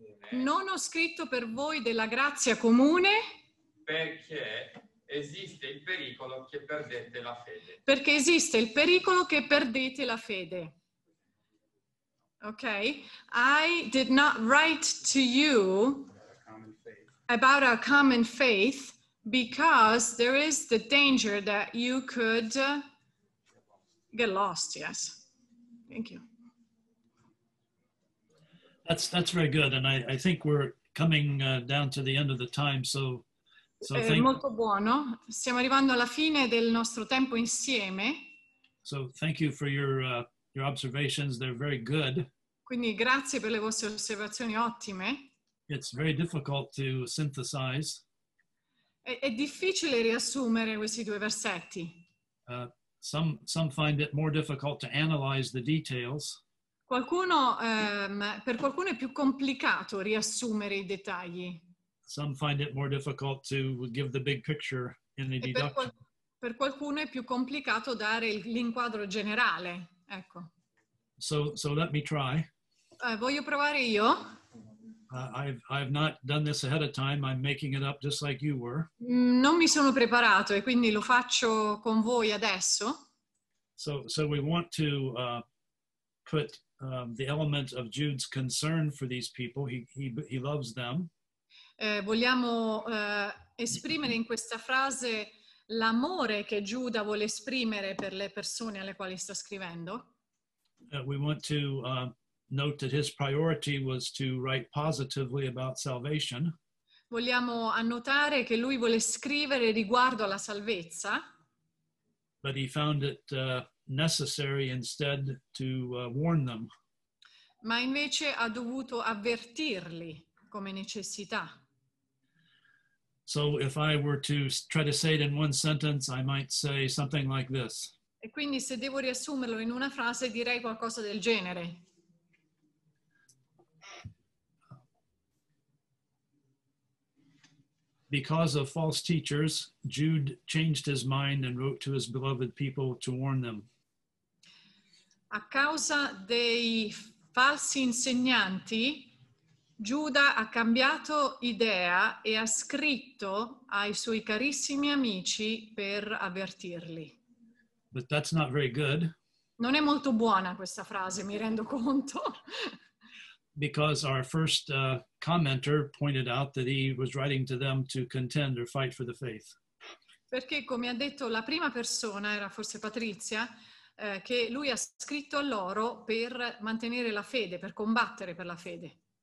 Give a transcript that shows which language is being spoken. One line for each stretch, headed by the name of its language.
Italian: Non ho scritto per voi della grazia comune. Perché esiste il pericolo che perdete la fede. Perché esiste il pericolo che perdete la fede. Ok.
English: I did not write to you about our common faith because there is the danger that you could... get lost, yes. Thank you. That's very good, and I think we're coming down to the end of the time, so thank you.
Italian: Molto buono. Stiamo arrivando alla fine del nostro tempo insieme.
English: So thank you for your observations. They're very good.
Italian: Quindi grazie per le vostre osservazioni ottime.
English: It's very difficult to synthesize.
Italian: È difficile riassumere questi due versetti.
English: Some find it more difficult to analyze the details.
Italian: Qualcuno per qualcuno è più complicato riassumere i dettagli.
English: Some find it more difficult to give the big picture in the deduction.
Italian: Per qualcuno è più complicato dare l'inquadro generale, ecco.
English: So let me try.
Italian: Voglio provare io.
English: I've not done this ahead of time. I'm making it up just like you were.
Italian: Non mi sono preparato e quindi lo faccio con voi adesso.
English: So we want to put the element of Jude's concern for these people. He loves them.
Italian: Vogliamo esprimere in questa frase l'amore che Giuda vuole esprimere per le persone alle quali sta scrivendo.
English: We want to note that his priority was to write positively about salvation.
Italian: Vogliamo annotare che lui vuole scrivere riguardo alla salvezza.
English: But he found it necessary instead to warn them.
Italian: Ma invece ha dovuto avvertirli come necessità.
English: So if I were to try to say it in one sentence, I might say something like this.
Italian: E quindi se devo riassumerlo in una frase, direi qualcosa del genere.
English: Because of false teachers, Jude changed his mind and wrote to his beloved people to warn them.
Italian: A causa dei falsi insegnanti, Giuda ha cambiato idea e ha scritto ai suoi carissimi amici per avvertirli.
English: But that's not very good.
Italian: Non è molto buona questa frase, mi rendo conto.
English: Because our first commenter pointed out that he was writing to them to contend or fight for the faith.
Italian: Perché, come ha detto la prima persona, era forse Patrizia, che lui ha scritto a loro per mantenere la fede, per combattere per la fede.